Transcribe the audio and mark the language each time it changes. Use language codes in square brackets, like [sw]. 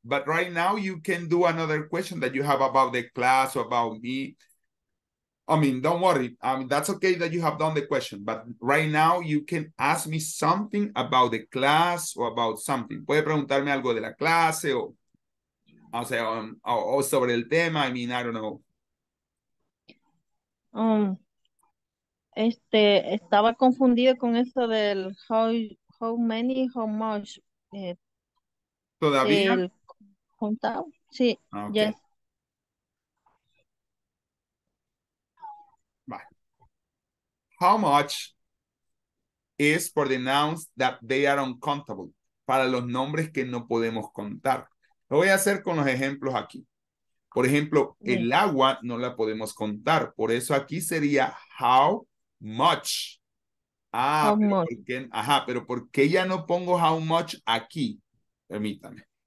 [en] But right now you can do another question that you have about the class or about me. I mean, don't worry. I mean, that's okay that you have done the question. But right now you can ask me something about the class or about something. [es] Puede preguntarme algo de la clase o sobre el tema. [en] I mean, I don't know. [es] Estaba confundido con eso del how many, how much. ¿Todavía? Sí, okay. Yes. [en] How much is for the nouns that they are uncountable? [es] Para los nombres que no podemos contar. Lo voy a hacer con los ejemplos aquí. Por ejemplo, el agua no la podemos contar. Por eso aquí sería how much. Ah, how much. Pero ¿por qué ya no pongo how much aquí? Permítame.